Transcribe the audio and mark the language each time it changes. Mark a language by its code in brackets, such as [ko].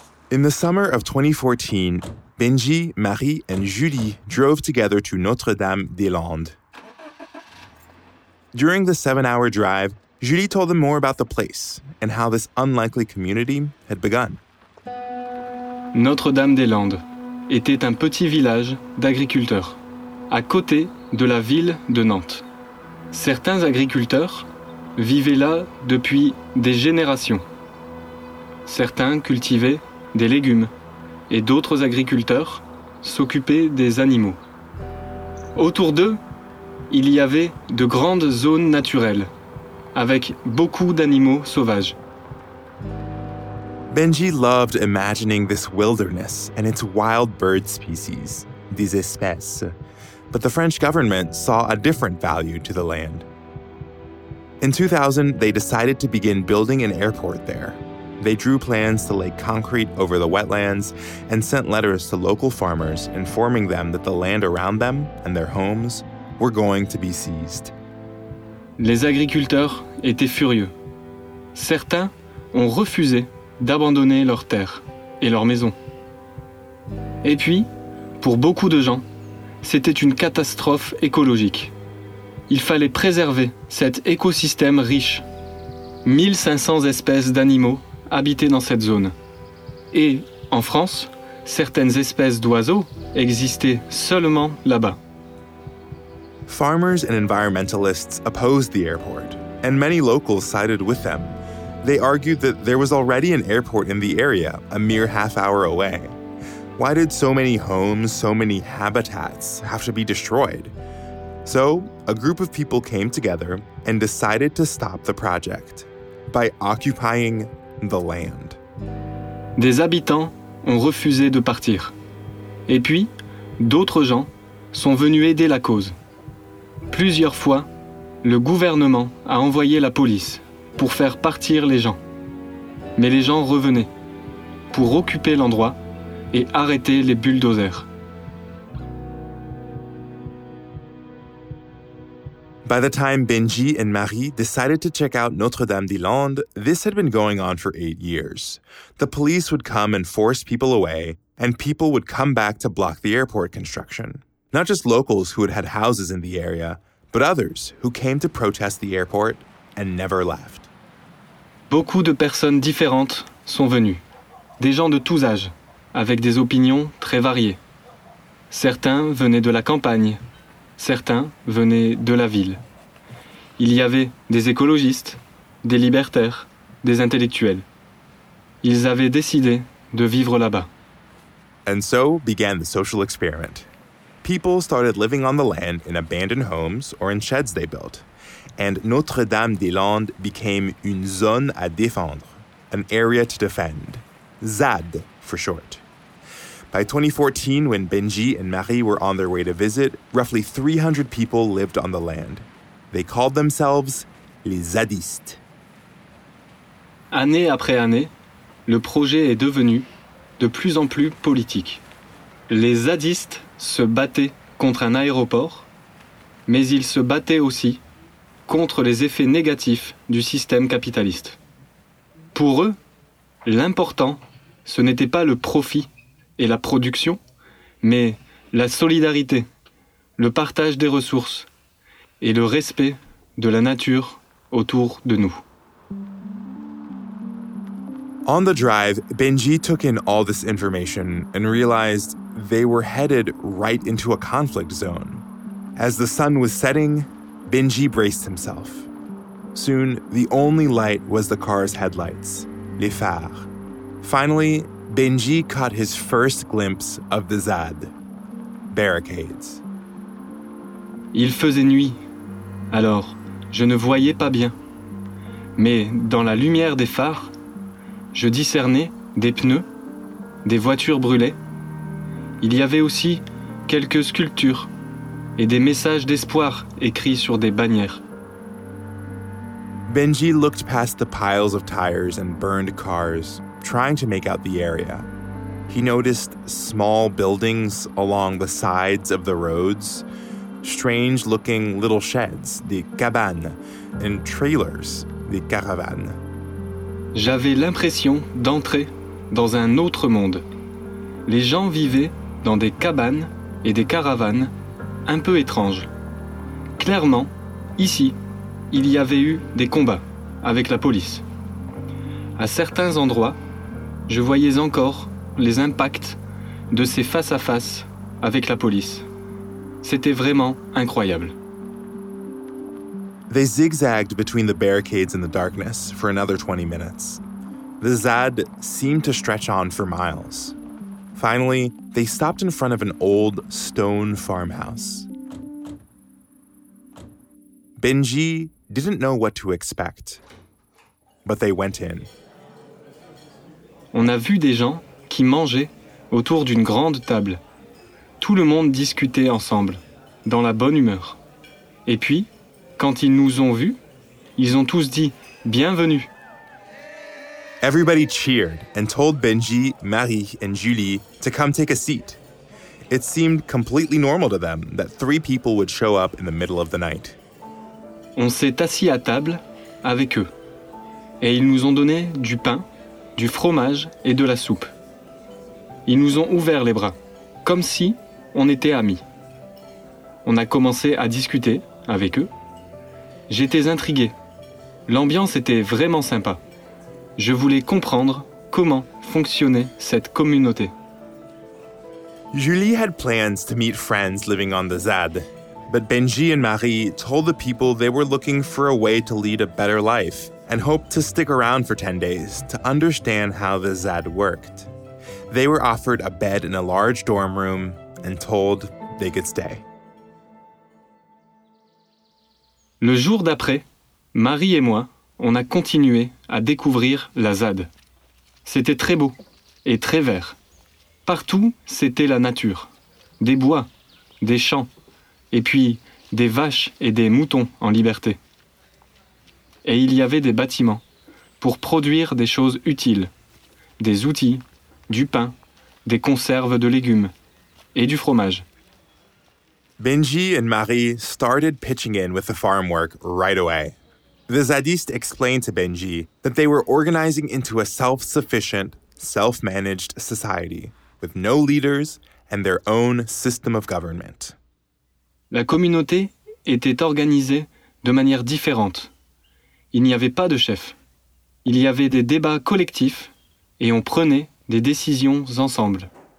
[en] In the summer of 2014, Benji, Marie, and Julie drove together to Notre-Dame-des-Landes. During the seven-hour drive, Julie told them more about the place and how this unlikely community had begun. [fr] Notre-Dame-des-Landes était un petit village d'agriculteurs à côté de la ville de Nantes. Certains agriculteurs vivaient là depuis des générations. Certains cultivaient des légumes, et d'autres agriculteurs s'occupaient des animaux. Autour d'eux, il y avait de grandes zones naturelles, avec beaucoup d'animaux sauvages. [en] Benji loved imagining this wilderness and its wild bird species, [fr] des espèces. [en] But the French government saw a different value to the land. In 2000, they decided to begin building an airport there. They drew plans to lay concrete over the wetlands and sent letters to local farmers informing them that the land around them and their homes were going to be seized. [fr] Les agriculteurs étaient furieux. Certains ont refusé d'abandonner leurs terres et leurs maisons. Et puis, pour beaucoup de gens, c'était une catastrophe écologique. Il fallait préserver cet écosystème riche. 1500 espèces d'animaux habiter dans cette zone. Et, en France, certaines espèces d'oiseaux existaient seulement là-bas. [en] Farmers and environmentalists opposed the airport, and many locals sided with them. They argued that there was already an airport in the area, a mere half hour away. Why did so many homes, so many habitats have to be destroyed? So, a group of people came together and decided to stop the project by occupying the land. [fr] Des habitants ont refusé de partir. Et puis, d'autres gens sont venus aider la cause. Plusieurs fois, le gouvernement a envoyé la police pour faire partir les gens. Mais les gens revenaient pour occuper l'endroit et arrêter les bulldozers. [en] By the time Benji and Marie decided to check out Notre-Dame-des-Landes, this had been going on for 8 years. The police would come and force people away, and people would come back to block the airport construction. Not just locals who had had houses in the area, but others who came to protest the airport and never left. [fr] Beaucoup de personnes différentes sont venues. Des gens de tous âges, avec des opinions très variées. Certains venaient de la campagne. Certains venaient de la ville. Il y avait des écologistes, des libertaires, des intellectuels. Ils avaient décidé de vivre là-bas. [en] And so began the social experiment. People started living on the land in abandoned homes or in sheds they built. And Notre-Dame-des-Landes became [fr] une zone à défendre, [en] an area to defend. ZAD for short. By 2014, when Benji and Marie were on their way to visit, roughly 300 people lived on the land. They called themselves [fr] les Zadistes. Année après année, le projet est devenu de plus en plus politique. Les Zadistes se battaient contre un aéroport, mais ils se battaient aussi contre les effets négatifs du système capitaliste. Pour eux, l'important, ce n'était pas le profit et la production, mais la solidarité, le partage des ressources et le respect de la nature autour de nous. [en] On the drive, Benji took in all this information and realized they were headed right into a conflict zone. As the sun was setting, Benji braced himself. Soon, the only light was the car's headlights, [fr] les phares. [en] Finally, Benji caught his first glimpse of the ZAD, barricades. [fr] Il faisait nuit, alors je ne voyais pas bien. Mais dans la lumière des phares, je discernais des pneus, des voitures brûlées. Il y avait aussi quelques sculptures et des messages d'espoir écrits sur des bannières. [en] Benji looked past the piles of tires and burned cars, trying to make out the area. He noticed small buildings along the sides of the roads, strange-looking little sheds, the cabanes, and trailers, the caravanes. [fr] J'avais l'impression d'entrer dans un autre monde. Les gens vivaient dans des cabanes et des caravanes un peu étranges. Clairement, ici, il y avait eu des combats avec la police. À certains endroits, je voyais encore les impacts de ces face-à-face avec la police. C'était vraiment incroyable. [en] They zigzagged between the barricades and the darkness for another 20 minutes. The ZAD seemed to stretch on for miles. Finally, they stopped in front of an old stone farmhouse. Benji didn't know what to expect, but they went in. [fr] On a vu des gens qui mangeaient autour d'une grande table. Tout le monde discutait ensemble, dans la bonne humeur. Et puis, quand ils nous ont vus, ils ont tous dit « Bienvenue !» [en] Everybody cheered and told Benji, Marie and Julie to come take a seat. It seemed completely normal to them that three people would show up in the middle of the night. [fr] On s'est assis à table avec eux. Et ils nous ont donné du pain, du fromage et de la soupe. Ils nous ont ouvert les bras, comme si on était amis. On a commencé à discuter avec eux. J'étais intrigué. L'ambiance était vraiment sympa. Je voulais comprendre comment fonctionnait cette communauté. [en] Julie had plans to meet friends living on the ZAD, But Benji and Marie told the people they were looking for a way to lead a better life and hoped to stick around for 10 days to understand how the Zed worked. They were offered a bed in a large dorm room and told they could stay. [fr] Le jour d'après, Marie et moi, on a continué à découvrir la ZAD. C'était très beau et très vert. Partout, c'était la nature. Des bois, des champs, et puis des vaches et des moutons en liberté. Et il y avait des bâtiments pour produire des choses utiles. Des outils, du pain, des conserves de légumes et du fromage. [en] Benji and Marie started pitching in with the farm work right away. The Zadist explained to Benji that they were organizing into a self-sufficient, self-managed society with no leaders and their own system of government. [fr] La communauté était organisée de manière différente. Il n'y avait pas de chef. Il y avait des débats collectifs et on prenait des décisions ensemble.